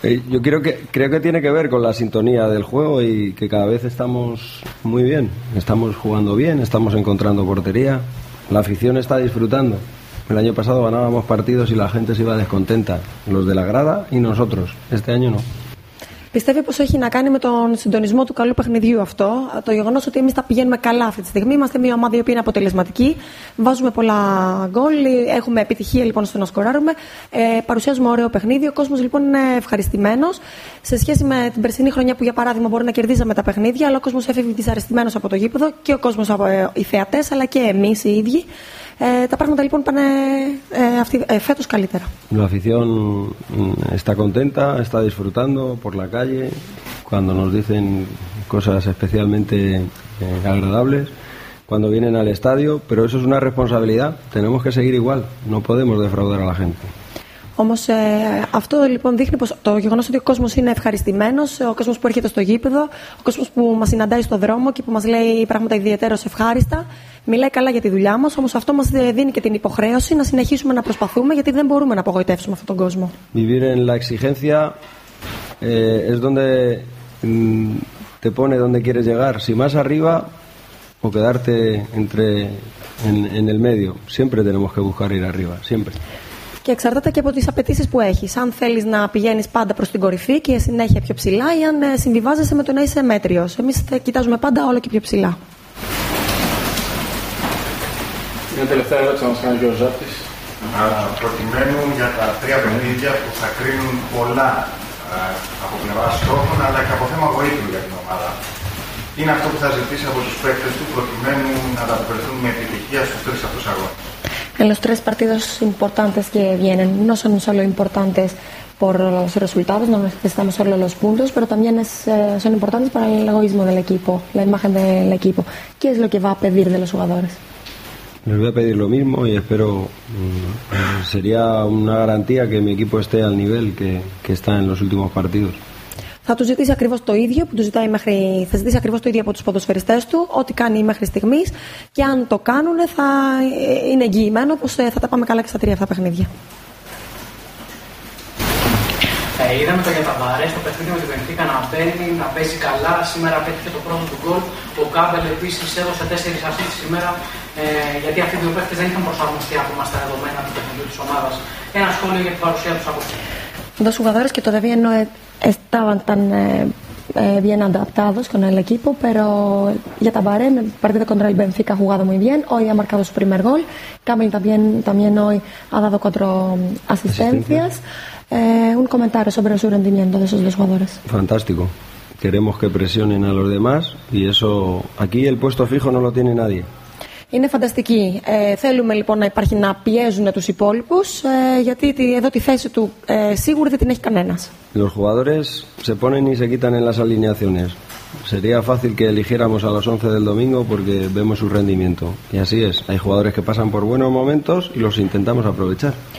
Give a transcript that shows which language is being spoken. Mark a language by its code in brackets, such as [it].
[es] Yo creo que tiene que ver con la sintonía del juego y que cada vez estamos muy bien. Estamos jugando bien, estamos encontrando portería. La afición está disfrutando. El año pasado ganábamos partidos y la gente se iba descontenta. Los de la grada y nosotros. Este año no. [el] Πιστεύει πως έχει να κάνει με τον συντονισμό του καλού παιχνιδιού αυτό. Το γεγονός ότι εμείς τα πηγαίνουμε καλά αυτή τη στιγμή. Είμαστε μια ομάδα η οποία είναι αποτελεσματική. Βάζουμε πολλά γκολ. Έχουμε επιτυχία λοιπόν στο να σκοράρουμε. Παρουσιάζουμε ωραίο παιχνίδι. Ο κόσμος λοιπόν είναι ευχαριστημένος. Σε σχέση με την περσινή χρονιά που για παράδειγμα μπορεί να κερδίζαμε τα παιχνίδια, αλλά ο κόσμος έφευγε δυσαρεστημένος από το γήπεδο και ο κόσμος, οι θεατές, αλλά και εμείς οι ίδιοι. Τα πράγματα λοιπόν πάνε φέτος καλύτερα. [es] La afición está contenta, está disfrutando por la calle, cuando nos dicen cosas especialmente agradables, cuando vienen al estadio, pero eso es una responsabilidad, tenemos que seguir igual, no podemos defraudar a la gente. [el] Όμως αυτό λοιπόν δείχνει πως το γεγονός ότι ο κόσμος είναι ευχαριστημένος, ο κόσμος που έρχεται στο γήπεδο, ο κόσμος που μας συναντάει στο δρόμο και που μας λέει πράγματα ιδιαίτερως ευχάριστα, μιλάει καλά για τη δουλειά μας, όμως αυτό μας δίνει και την υποχρέωση να συνεχίσουμε να προσπαθούμε, γιατί δεν μπορούμε να απογοητεύσουμε αυτόν τον κόσμο. [es] Vivir en la exigencia es donde te pone donde quieres llegar, si más arriba o quedarte entre en el medio. Siempre tenemos que buscar ir arriba, siempre. [el] Και εξαρτάται και από τις απαιτήσεις που έχεις. Αν θέλεις να πηγαίνεις πάντα προς την κορυφή και συνέχεια πιο ψηλά, ή αν συμβιβάζεσαι με το να είσαι μέτριος. Εμείς θα κοιτάζουμε πάντα όλο και πιο ψηλά. Μια τελευταία ερώτηση να μας κάνει ο Γιώργος Ζάπτης. Προκειμένου για τα τρία παιχνίδια που θα κρίνουν πολλά από πλευρά στόχων αλλά και από θέμα βοήθου για την ομάδα, τι είναι αυτό που θα ζητήσει από τους παίκτες του προκειμένου να ανταποκριθούν με επιτυχία στους τρεις αυτούς αγώνες? [es] En los tres partidos importantes que vienen, no son solo importantes por los resultados, no necesitamos solo los puntos, pero también son importantes para el egoísmo del equipo, la imagen del equipo. ¿Qué es lo que va a pedir de los jugadores? Les voy a pedir lo mismo y espero, sería una garantía que mi equipo esté al nivel que está en los últimos partidos. [el] Θα του ζητήσει ακριβώς το ίδιο που του ζητάει μέχρι. Θα ζητήσει ακριβώς το ίδιο από τους ποδοσφαιριστές του, ό,τι κάνει μέχρι στιγμής. Και αν το κάνουν, θα είναι εγγυημένο πως θα τα πάμε καλά και στα τρία αυτά παιχνίδια. είδαμε το Γιαταμπαρέ στο παιχνίδι με την Βενφίκα να μπαίνει, να παίζει καλά. Σήμερα πέτυχε το πρώτο του γκολ. Ο Κάμπελ επίσης έδωσε 4 ασίστ σήμερα. Γιατί αυτοί οι δύο παίχτες δεν είχαν προσαρμοστεί ακόμα στα δεδομένα του παιχνιδιού της ομάδας. Ένα σχόλιο για την παρουσία τους από εκεί. [es] Dos jugadores que todavía no estaban tan bien adaptados con el equipo, pero ya Tabaré en el partido contra el Benfica ha jugado muy bien. Hoy ha marcado su primer gol. Camel también hoy ha dado 4 asistencias. Un comentario sobre su rendimiento de esos dos jugadores. Fantástico. Queremos que presionen a los demás y eso aquí el puesto fijo no lo tiene nadie. [el] Είναι φανταστική. Θέλουμε λοιπόν να υπάρχει να πιέζουν τους υπόλοιπους, γιατί εδώ τη θέση του σίγουρα δεν την έχει κανένας. [es] Los jugadores se ponen y se quitan en las alineaciones. Sería fácil que eligiéramos a las 11 del domingo porque vemos su rendimiento. Y así es. Hay jugadores que pasan por buenos momentos y los intentamos aprovechar.